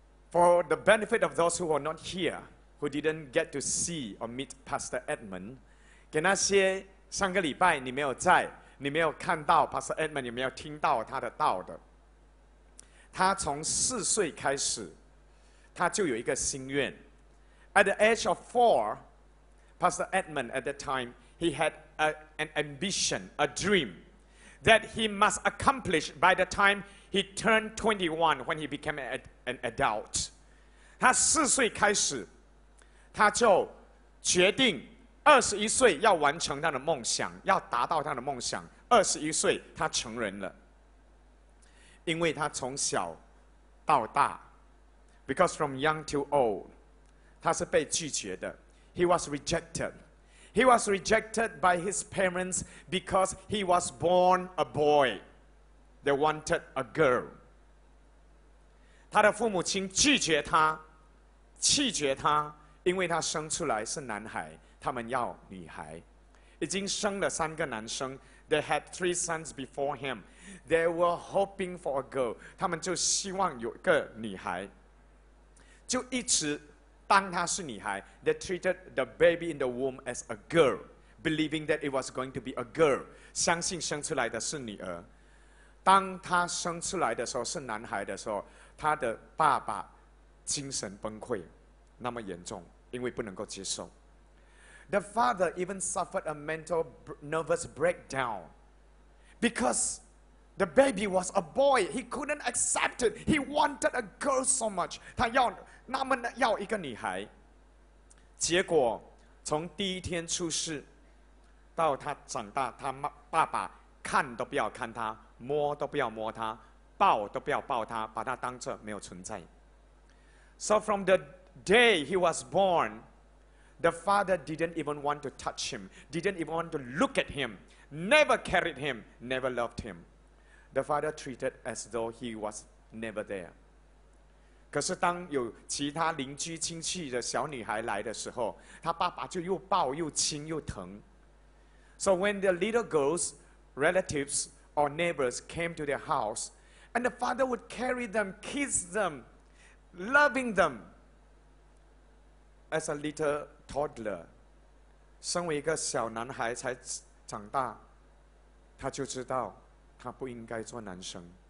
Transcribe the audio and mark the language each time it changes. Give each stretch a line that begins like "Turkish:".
English: For the benefit of those who were not here, who didn't get to see or meet Pastor Edmund,
Chinese: 给那些上个礼拜你没有在，你没有看到 Pastor Edmund， 你没有听到他的道的。他从四岁开始，他就有一个心愿。
English: At the age of four, Pastor Edmund at that time, he had an ambition, a dream. that he must accomplish by the time he turned 21 when he became an adult.
Chinese: 他四岁开始，他就决定二十一岁要完成他的梦想，要达到他的梦想。二十一岁，他成人了，因为他从小到大 ，
English: because from young to old，
Chinese: 他是被拒绝的。
English: He was rejected. He was rejected by his parents because he was born a boy. They wanted a girl.
Chinese: 他的父母亲拒绝他，弃绝他，因为他生出来是男孩，他们要女孩。已经生了三个男生。
English: They had three sons before him. They were hoping for a girl.
Chinese: 他们就希望有个女孩，就一直当她是女孩。
English: They treated the baby in the womb as a girl, believing that it was going to be a girl.
Chinese: 相信生出来的是女儿。当她生出来的时候是男孩的时候，她的爸爸精神崩溃，那么严重，因为不能够接受。
English: The father even suffered a mental nervous breakdown because the baby was a boy. He couldn't accept it. He wanted a girl so much.
Chinese: 他要那么要一个女孩。结果从第一天出世到他长大，他爸爸看都不要看他，摸都不要摸他，抱都不要抱他，把他当作没有存在。
English: So from the day he was born,The father didn't even want to touch him, didn't even want to look at him, never carried him, never loved him. The father treated as though he was never there.
Chinese: 可是当有其他邻居亲戚的小女孩来的时候，他爸爸就又抱又亲又疼。
English: So when the little girl's relatives or neighbors came to their house, and the father would carry them, kiss them, loving them, as a littletoddler
Chinese: 身为一个小男孩才长大，他就知道他不应该做男生。